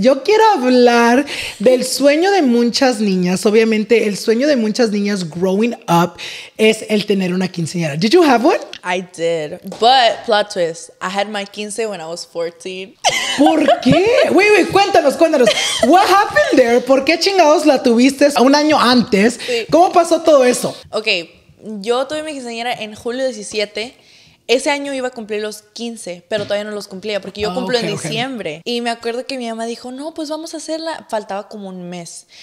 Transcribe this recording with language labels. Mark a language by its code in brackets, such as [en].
[es] Yo quiero hablar del sueño de muchas niñas. Obviamente el sueño de muchas niñas [en] growing up [es] es el tener una quinceañera. [en] Did you have one? I did. But plot twist, I had my quince when I was 14. [es] ¿Por qué? [en] Wait, [es] cuéntanos. [en] What happened there? [es] ¿Por qué chingados la tuviste un año antes? Sí. ¿Cómo pasó todo eso? Ok, yo tuve mi quinceañera en julio 17. Ese año iba a cumplir los 15, pero todavía no los cumplía porque yo cumplo en diciembre. Okay. Y me acuerdo que mi mamá dijo, no, pues vamos a hacerla. Faltaba como un mes.